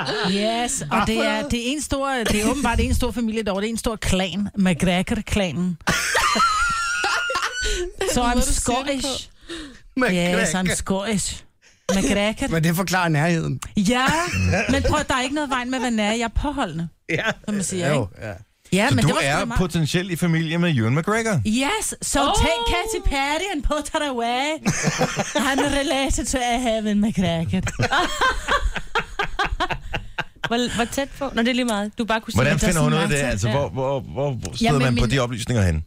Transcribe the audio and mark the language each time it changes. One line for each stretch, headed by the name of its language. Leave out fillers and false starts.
Danish: Yes, og det er det er en stor, det er åbenbart en stor familie derovre, det er en stor klan, McGregor-klanen. Så
English: so I'm Scottish. Yes, I'm Scottish. McGregor.
Danish: Men det forklarer nærheden. Ja, men prøv, der er ikke noget vejen med, hvad nær jeg er påholdende. Ja, som man siger, jo, ja. Ja, så men du det er potentielt i familie med Ewan McGregor?
English: Yes, so take Katy Perry and put her away. I'm related to Ewan McGregor.
Danish: Hvor tæt på? Nå, det er lige meget. Du bare kunne hvordan finder hun ud af det? Altså, hvor støder man på de oplysninger hen?